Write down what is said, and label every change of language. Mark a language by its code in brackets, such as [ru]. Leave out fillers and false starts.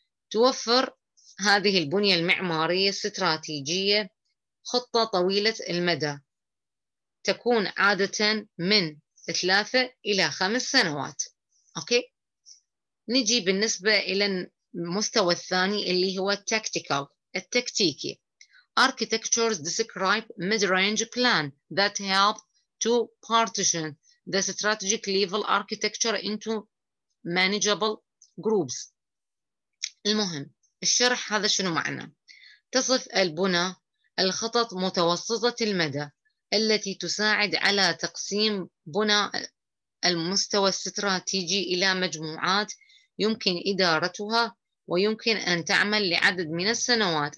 [ar] توفر هذه البنية المعمارية الاستراتيجية خطة طويلة المدى تكون عادة من 3 إلى 5 سنوات. أوكي، نجي بالنسبة إلى المستوى الثاني اللي هو التكتيكال، التكتيكي. [en] Architectures describe mid-range plan that help to partition the strategic level architecture into manageable groups. [ar] المهم الشرح هذا شنو معنى؟ تصف البنى الخطط متوسطة المدى التي تساعد على تقسيم بنى المستوى الاستراتيجي إلى مجموعات يمكن إدارتها ويمكن أن تعمل لعدد من السنوات.